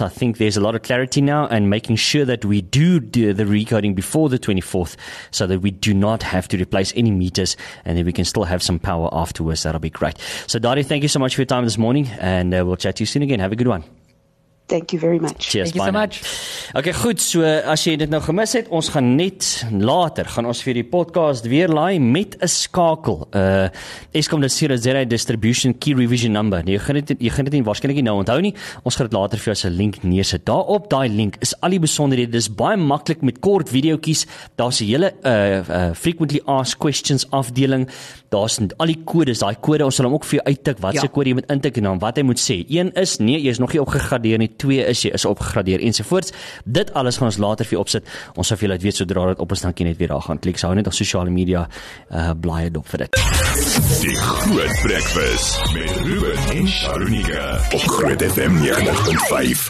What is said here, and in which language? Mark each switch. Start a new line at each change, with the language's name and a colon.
English: I think there's a lot of clarity now, and making sure that we do the recoding before the 24th, so that we do not have to replace any meters, and then we can still have some power afterwards. That'll be great. So Dade, thank you so much for your time this morning, and we'll chat to you soon again. Have a good one. Thank you very much. Cheers, thank you so much.
Afrikaans: Okay, goed, so as jy dit nou gemis het, ons gaan net later, gaan ons vir die podcast weer laai met 'n skakel. Eskom the 00 distribution key revision number. Jy gaan dit nie waarskynlik nou onthou nie. Ons gaan dit later vir jou as 'n link neersit. Daarop daai link is al die besonderhede. Dis baie maklik met kort videoetjies. Daar's 'n hele
English: frequently asked questions
Afrikaans: afdeling. Daar's al die kodes, daai kode, ons sal hom ook vir jou uittik watse kode jy moet intik en dan wat hy moet sê. Een is nee, jy is nog nie opgegradeer nie. Twee is jy is opgegradeer ensovoorts. Dit alles gaan ons later vir jou opsit. Ons sal vir julle weet sodra dit op is, dankie net weer daar gaan klik. Hou net op sosiale media blaaie dop vir dit. Die Groot Breakfast met Ruben en Sharunika op Groot FM 90.5.